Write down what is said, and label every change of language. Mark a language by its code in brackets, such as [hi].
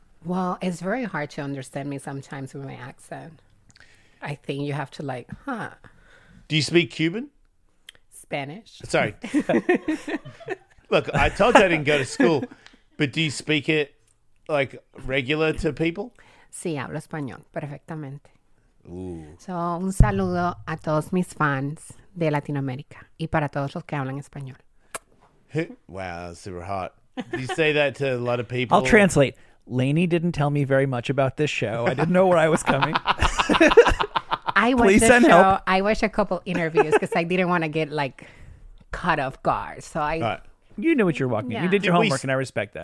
[en] Well, it's very hard to understand me sometimes with my accent. I think you have to like, huh. Do you speak Cuban? Spanish. Sorry. Look, I told you I didn't go to school, but do you speak it like regular to people? [es] Sí, hablo español perfectamente. Ooh. So, un saludo a todos mis fans de Latinoamérica y para todos los que hablan español. [en] Wow, super hot. You say that to a lot of people. I'll translate. Lainey didn't tell me very much about this show. I didn't know where I was coming. I watched Please send show, help. I watched a couple interviews because I didn't want to get like caught off guard. So I, you know what you're walking. Yeah. You did your homework, and I respect that.